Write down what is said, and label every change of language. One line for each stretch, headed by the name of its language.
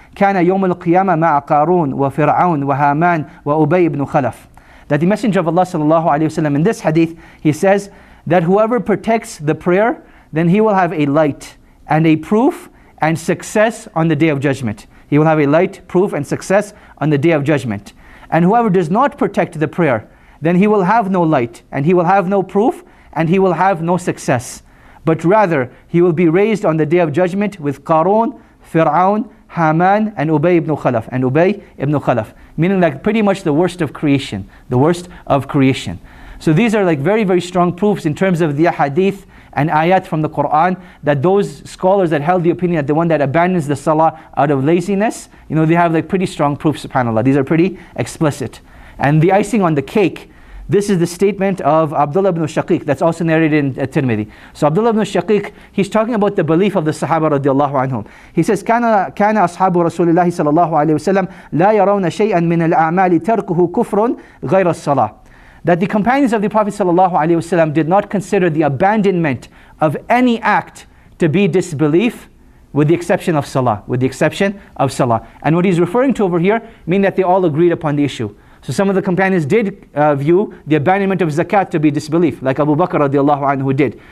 Arabic: كان يوم القيامة مع قارون وفرعون وهامان وأبي بن خلف.
English: That the Messenger of Allah sallallahu alaihi wasallam in this hadith, he says that whoever protects the prayer, then he will have a light and a proof and success on the day of judgment. He will have a light, proof, and success on the day of judgment. And whoever does not protect the prayer, then he will have no light and he will have no proof and he will have no success. But rather, he will be raised on the day of judgment with قارون, فرعون, Haman and Ubay ibn Khalaf. And Ubay ibn Khalaf. Meaning like pretty much the worst of creation. The worst of creation. So these are like very, very strong proofs in terms of the hadith and ayat from the Quran, that those scholars that held the opinion that the one that abandons the salah out of laziness, you know, they have like pretty strong proofs, subhanAllah. These are pretty explicit. And the icing on the cake, this is the statement of Abdullah ibn Shaqiq that's also narrated in Tirmidhi. So Abdullah ibn Shaqiq, he's talking about the belief of the Sahaba radiallahu anhum. He says,
Arabic: كان أصحاب رسول الله صلى الله عليه وسلم لا يرون شيئا من الأعمال تركه كفر غير الصلاة.
English: That the companions of the Prophet sallallahu alaihi wasallam did not consider the abandonment of any act to be disbelief, with the exception of salah. With the exception of salah. And what he's referring to over here means that they all agreed upon the issue. So some of the companions did view the abandonment of zakat to be disbelief, like Abu Bakr radiallahu anhu did.